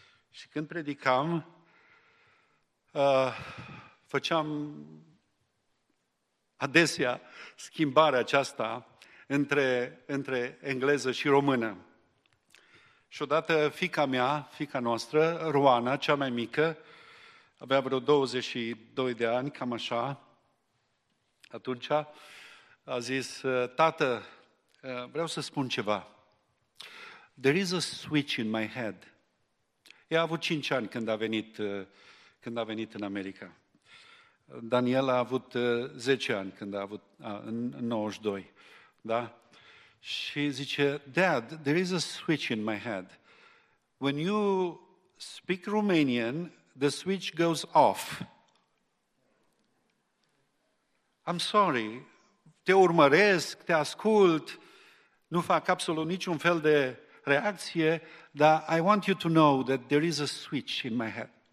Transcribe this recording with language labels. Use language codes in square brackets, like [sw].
[ro] Și când predicam, făceam adesea schimbarea aceasta între engleză și română. Și odată fiica mea, fiica noastră, Roana, cea mai mică, avea vreo 22 de ani, cam așa, atunci a zis, tată, vreau să spun ceva. [en] There is a switch in my head. [ro] Ea a avut 5 ani când a venit în America. Daniel a avut 10 ani când a avut, în 92, da? Și zice, [en] Dad, there is a switch in my head. When you speak Romanian, the switch goes off. I'm sorry, [ro] te urmăresc, te ascult, nu fac absolut niciun fel de reacție, dar [en] I want you to know that there is a switch in my head.